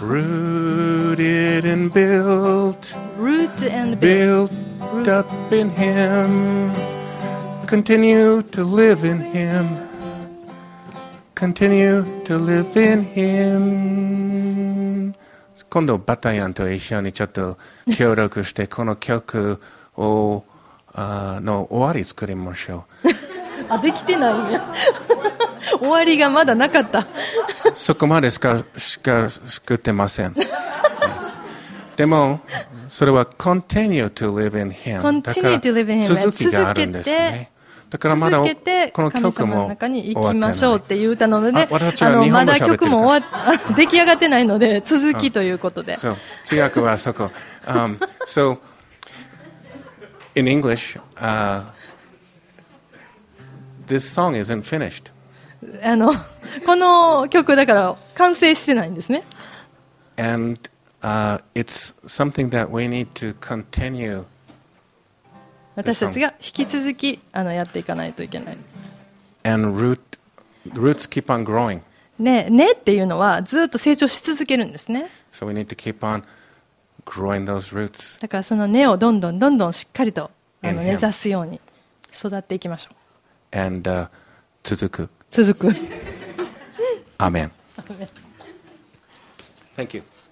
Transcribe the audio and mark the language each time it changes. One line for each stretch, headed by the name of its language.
English: rooted and built, rooted and built up in Him, continue to live in Him, continue to live in Him.
Japanese: 今度バタヤンと一緒にちょっと協力してこの曲をの終わり作りましょう。あ、できてないね。終わりがまだなかった。そこまでしか作ってません。
English: yes.
Japanese: でもそれは
English: continue to live in Him。 continue to live in Him。
Japanese: 続きがあるんですね。だからまだこの曲も神様の中に行きましょうっていう歌なので、あのまだ曲も出来上がってないので続きということで。そう、通訳はそこ。
English: So,In English, this song isn't finished.
Japanese: この曲だから完成してないんですね。
English: And, it's something that we need to continue.
Japanese: 私たちが引き続きやっていかないといけない。
English: And roots keep on growing.
Japanese: ねっていうのはずっと成長し続けるんですね。
English: So we need to keep on growing those roots.
Japanese: だからその根をどんどんどんどんしっかりと根ざすように育っていきましょう。 And, 続く。ア
English: メン。Thank you.